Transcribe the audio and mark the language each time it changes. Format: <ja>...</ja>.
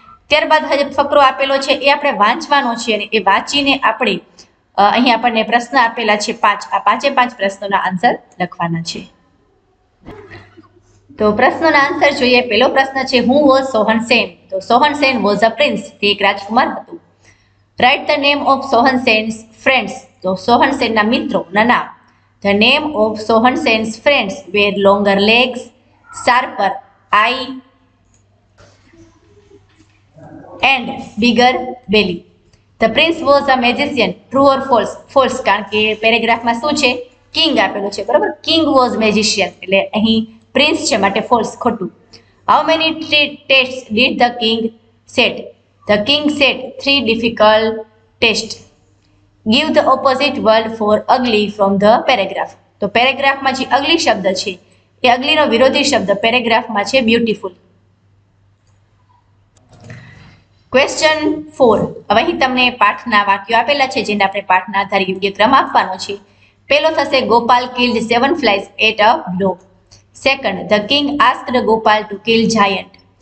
<gu>ત્યારબાદ હજે ફકરો આપેલો છે એ આપણે વાંચવાનો છે, અને એ વાંચીને આપણે અહીં આપણને પ્રશ્ન આપેલા છે 5, આ 5-5 પ્રશ્નોના આન્સર લખવાના છે. તો પ્રશ્નોના આન્સર જોઈએ. પહેલો પ્રશ્ન છે,</gu> <en>Who was Sohan Sen?</en> <gu>તો</gu> <en>Sohan Sen was a prince,</en> <gu>તે એક રાજકુમાર હતું.</gu> <en>write the name of Sohan Sen's friends,</en> <gu>તો સોહન સેનના મિત્રોના નામ.</gu> <en>The name of Sohan Sen's friends were longer legs, sharper eye and bigger belly. The prince was a magician. True or false?</en> <gu>False, કારણ કે પેરેગ્રાફમાં શું છે, king આપેલો છે, બરાબર.</gu> <en>king was magician</en> <gu>એટલે અહીં પ્રિન્સ છે, માટે ફોલ્સ, ખોટું.</gu> <en>How many test did the king set? The king set 3 difficult test. Give the opposite word for ugly from the paragraph.</en> <gu>તો પેરેગ્રાફમાં જે અગલી શબ્દ છે એ અગલીનો વિરોધી શબ્દ પેરેગ્રાફમાં છે બ્યુટિફુલ. ક્વેશ્ચન 4. હવે અહીં તમને પાઠના વાક્યો આપેલા છે જેને આપણે પાઠના આધારે યોગ્ય ક્રમ આપવાનો છે. પહેલો થશે,</gu> <en>Gopal killed 7 flies at a blow. Second, the king asked Gopal to kill giant.</en>